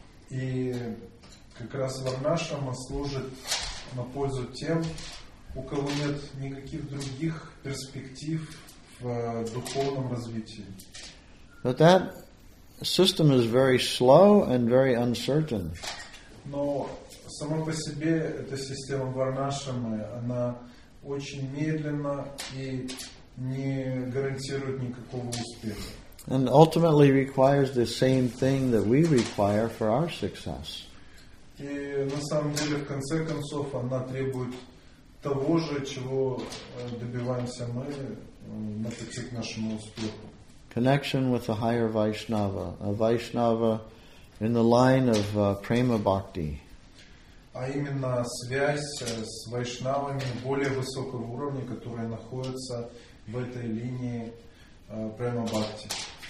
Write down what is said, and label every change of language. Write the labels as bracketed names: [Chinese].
[Russian] И как раз Варнашрама служит на пользу тем, у кого нет никаких других перспектив в духовном развитии. [English] But that system is very slow and very uncertain. [Russian] Но сама по себе эта система Варнашрама, она очень медленна и не гарантирует никакого успеха. [English] And ultimately requires the same thing that we require for our success. [Russian] И на самом деле, в конце концов, она требует того же, чего добиваемся мы на пути к нашему успеху. [English] Connection with a higher Vaishnava, a Vaishnava in the line of Prema Bhakti. [Russian] А именно связь с Вайшнавами более высокого уровня, которые находятся в этой линии Prema Bhakti.